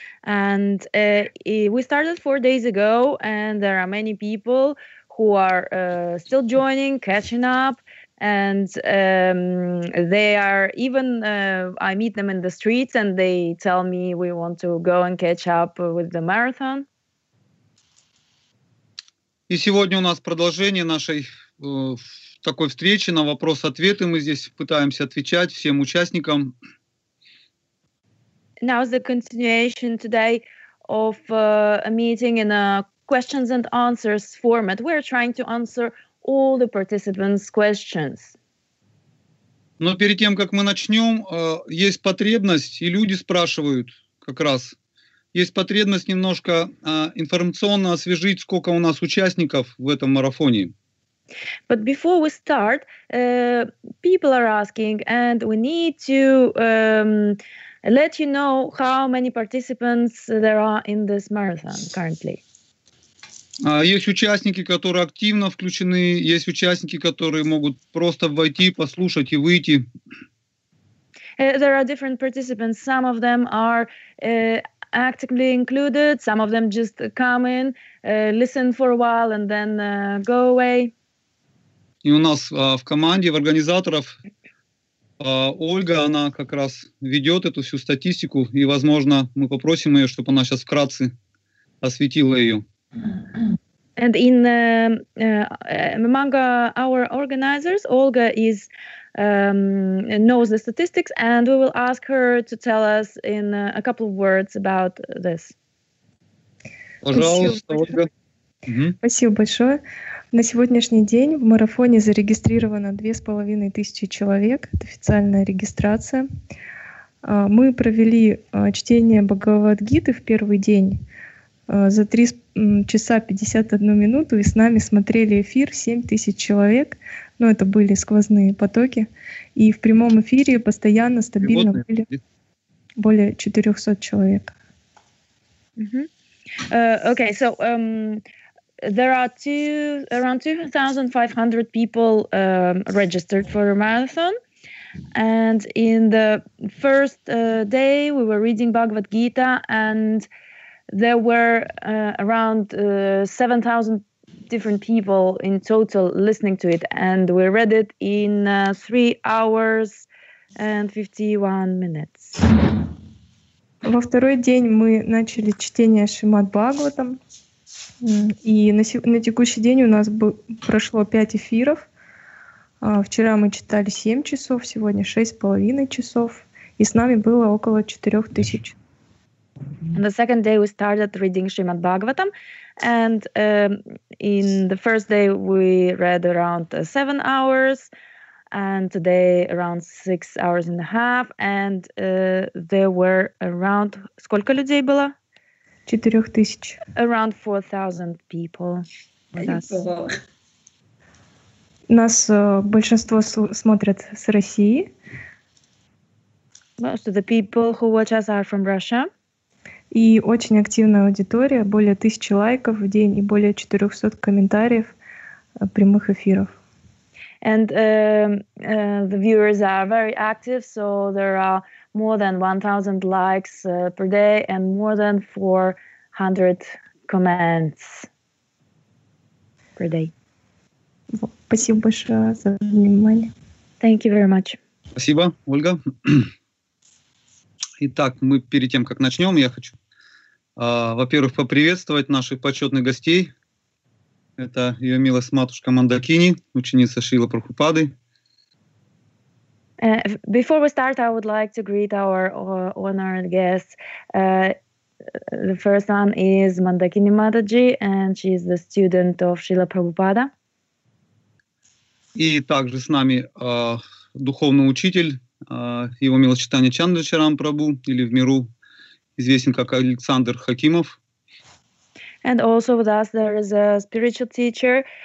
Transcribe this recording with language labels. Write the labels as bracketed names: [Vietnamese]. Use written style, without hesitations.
[English] And we started 4 days ago, and there are many people who are still joining, catching up. And they are even, I meet them in the streets and they tell me we want to go and catch up with the marathon. [Russian] И сегодня у нас продолжение нашей такой встречи на вопрос-ответы. Мы здесь пытаемся отвечать всем участникам. [English] Now is the continuation today of a meeting in a questions and answers format. We're trying to answer all the participants' questions. [Russian] Но перед тем, как мы начнем, есть потребность, и люди спрашивают как раз, есть потребность немножко информационно освежить, сколько у нас участников в этом марафоне. [English] But before we start, people are asking, and we need to let you know how many participants there are in this marathon currently. [Russian] Есть участники, которые активно включены, есть участники, которые могут просто войти, послушать и выйти. [English] There are different participants. Some of them are actively included, some of them just come in, listen for a while and then go away. [Russian] И у нас в команде, в организаторов, Ольга, она как раз ведет эту всю статистику, и, возможно, мы попросим ее, чтобы она сейчас вкратце осветила ее. [English] And in among our organizers, Olga is knows the statistics, and we will ask her to tell us in a couple of words about this. [Russian] Пожалуйста, Ольга. Спасибо большое. На сегодняшний день в марафоне зарегистрировано 2500 человек. Это официальная регистрация. Мы провели чтение Бхагавад-гиты в первый день за 3:51, и с нами смотрели эфир 7000 человек. Но это были сквозные потоки. И в прямом эфире постоянно, стабильно были более 400 человек. [English] Okay, so there are around 2,500 people registered for a marathon. And in the first day, we were reading Bhagavad Gita, and there were around 7,000 different people in total listening to it. And we read it in 3 hours and 51 minutes. [Russian] Во второй день мы начали чтение Шримад-Бхагаватам. И на текущий день у нас прошло 5 эфиров. Вчера мы читали 7 часов, сегодня 6,5 часов. И с нами было около 4000. [English] On the second day we started reading Шримад-Бхагаватам. And in the first day we read around 7 hours. And today around 6 hours and a half. And there were around... [Russian] Сколько людей было? 4000. [English] Around 4,000 people. [Russian] Нас большинство смотрят с России. [English] Most of the people who watch us are from Russia. [Russian] И очень активная аудитория. Более 1000 лайков в день и более 400 комментариев прямых эфиров. [English] And the viewers are very active, so there are more than 1,000 likes per day and more than 400 comments per day. [Russian] Спасибо большое за внимание. [English] Thank you very much. [Russian] Спасибо, Ольга. Итак, мы перед тем, как начнем, я хочу, во-первых, поприветствовать наших почетных гостей. Это ее милость матушка Мандакини, ученица Шрилы Прабхупады. [English] Before we start, I would like to greet our honored guests. The first one is Mandakini Mataji, and she is the student of Shrila Prabhupada. [Russian] И также с нами духовный учитель, его милочитание Чандрачарам Прабу, или в миру известен как Александр Хакимов. [English] And also with us there is a spiritual teacher.